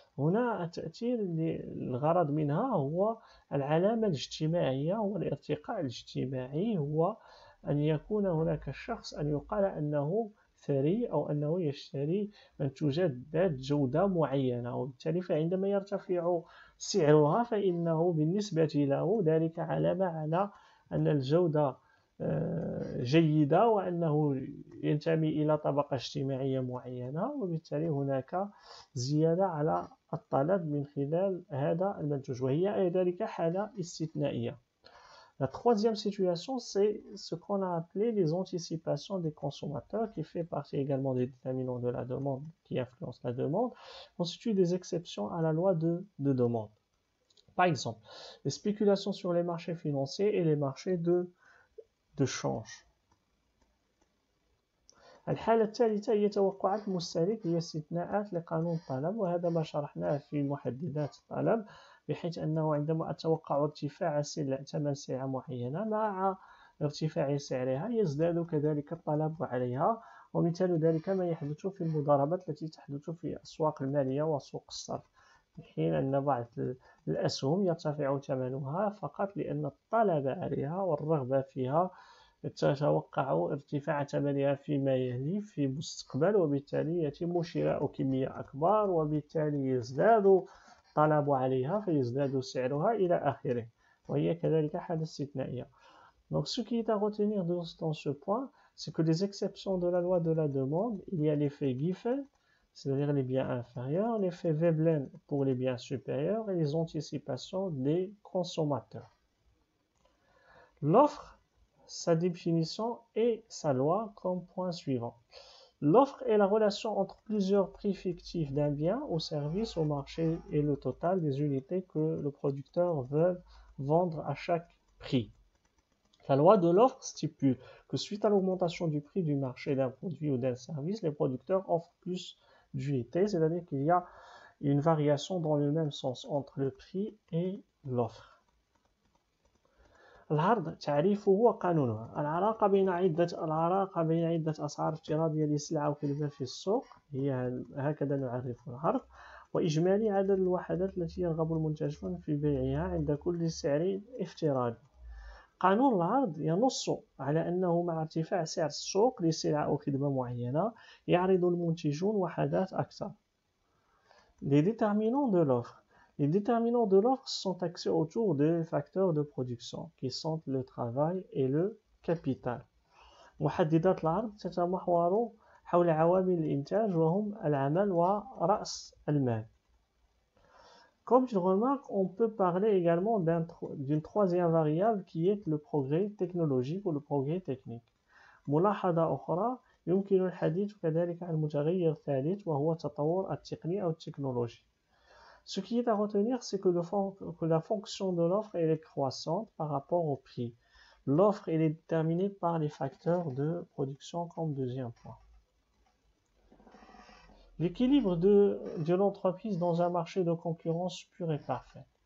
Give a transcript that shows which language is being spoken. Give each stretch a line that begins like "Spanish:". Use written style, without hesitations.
Arabic: هنا التأثير الغرض منها هو العلامة الاجتماعية والارتقاء الاجتماعي، هو أن يكون هناك شخص، أن يقال أنه ثري أو أنه يشتري منتوجات ذات جودة معينة، وبالتالي فعندما يرتفع سعرها فإنه بالنسبة له ذلك علامة على أن الجودة جيدة وأنه ينتمي إلى طبقة اجتماعية معينة، وبالتالي هناك زيادة على الطلب من خلال هذا المنتوج، وهي ذلك حالة استثنائية.
French: La troisième situation, c'est ce qu'on a appelé les anticipations des consommateurs, qui fait partie également des déterminants de la demande, qui influencent la demande, constituent des exceptions à la loi de demande. Par exemple, les spéculations sur les marchés financiers et les marchés de change.
Arabic: الحالة الثالثة هي توقعات المستهلك، هي استثناءات لقانون الطلب، وهذا ما شرحناه في محددات الطلب، بحيث أنه عندما أتوقع ارتفاع ثمن سلعة معينة مع ارتفاع سعرها يزداد كذلك الطلب عليها، ومثال ذلك ما يحدث في المضاربات التي تحدث في الأسواق المالية وسوق الصرف، حين أن بعض الأسهم يرتفع ثمنها فقط لأن الطلب عليها والرغبة فيها تتوقع ارتفاع ثمنها فيما يلي في المستقبل، وبالتالي يتم شراء كمية أكبر، وبالتالي يزداد الطلب عليها فيزداد سعرها إلى آخره، وهي كذلك حالة استثنائية.
French: Donc ce qui est à retenir dans ce point, c'est que les exceptions de la loi de la demande, il y a l'effet Giffen, c'est-à-dire les biens inférieurs, l'effet Veblen pour les biens supérieurs et les anticipations des consommateurs. L'offre, sa définition et sa loi comme point suivant. L'offre est la relation entre plusieurs prix fictifs d'un bien ou service au marché et le total des unités que le producteur veut vendre à chaque prix. La loi de l'offre stipule que suite à l'augmentation du prix du marché d'un produit ou d'un service, les producteurs offrent plus d'unités, c'est-à-dire qu'il y a une variation dans le même sens entre le prix et l'offre.
Arabic: العرض تعريفه هو قانونها العلاقة بين عدة العلاقة بين عدة أسعار افتراضية لسلعة أو خدمة في السوق هي هكذا نعرف العرض وإجمالي عدد الوحدات التي يرغب المنتجون في بيعها عند كل سعر افتراضي. قانون العرض ينص على أنه مع ارتفاع سعر السوق لسلعة أو خدمة معينة يعرض المنتجون وحدات أكثر.
French: Les déterminants de l'offre. Les déterminants de l'offre sont axés autour des facteurs de production, qui sont le travail et le capital.
Arabic: محددات العرض تتمحور حول عوامل الإنتاج وهم العمل ورأس المال.
French: Comme tu remarques, on peut parler également d'une troisième variable qui est le progrès technologique ou le progrès technique.
Arabic: ملاحظة أخرى يمكن الحديث كذلك عن متغير ثالث وهو التطور التقني أو التكنولوجي.
French: Ce qui est à retenir, c'est que la fonction de l'offre est croissante par rapport au prix. L'offre est déterminée par les facteurs de production comme deuxième point. L'équilibre de l'entreprise dans un marché de concurrence pure et parfaite.